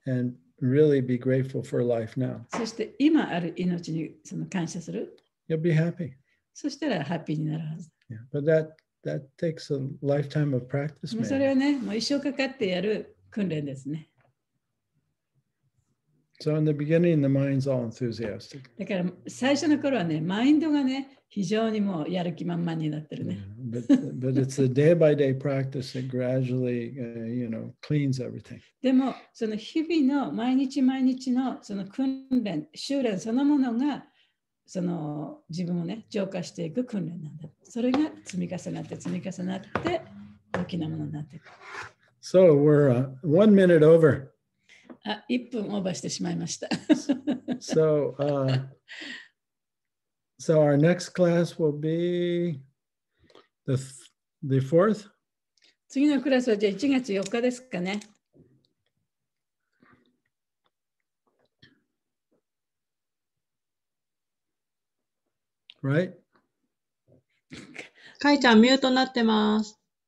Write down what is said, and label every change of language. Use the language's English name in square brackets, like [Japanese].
[English] And really be grateful for life now. [Japanese] そして今ある命にその感謝する。 [English] You'll be happy. [Japanese] そしたらハッピーになるはず。 [English] Yeah. But that takes a lifetime of practice. [Japanese] もうそれはね、もう一生かかってやる訓練ですね。 [English] So in the beginning, the mind's all enthusiastic. [Japanese] だから最初の頃はね、マインドがね、非常にもうやる気満々になってるね。 [English] But it's the day by day practice that gradually, you know, cleans everything. [Japanese] でもその日々の毎日毎日のその訓練、修練そのものがその自分をね、浄化していく訓練なんだ。それが積み重なって積み重なって大きなものになっていく。 [English] So we're one minute over. [Japanese] あ、一分オーバーしてしまいました。 [English] So our next class will be the fourth. [Japanese] 次のクラスはじゃあ1月4日ですかね。 [English] Right? [Japanese] かいちゃんミュートになってます。